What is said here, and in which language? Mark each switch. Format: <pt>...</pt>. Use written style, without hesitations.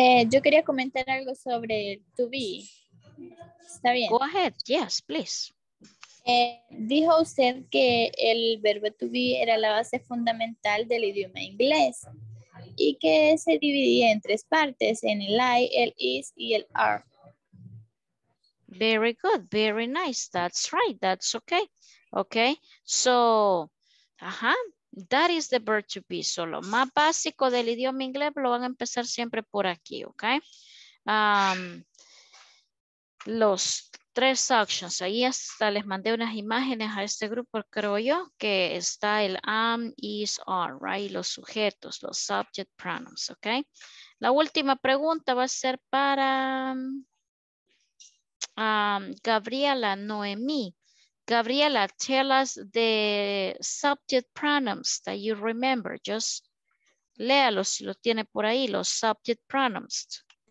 <es>Yo quería comentar algo sobre to be. ¿Está bien?</es> <en>Go ahead, yes, please.</en> <es>Dijo usted que el verbo to be era la base fundamental del idioma inglés y que se dividía en tres partes, en el I, el is y el are.</es> <en>Very good, very nice. That's right, that's okay. Okay, so, ajá. That is the verb to be, solo.</en> <es>Más básico del idioma inglés lo van a empezar siempre por aquí, ¿ok? Los tres options. Ahí hasta les mandé unas imágenes a este grupo, creo yo, que está el am, is, are, right? Los sujetos, los subject pronouns, ¿ok? La última pregunta va a ser para Gabriela Noemí.</es> <en>Gabriela, tell us the subject pronouns that you remember.</en> <es>Just léalo si lo tiene por ahí, los subject pronouns.</es>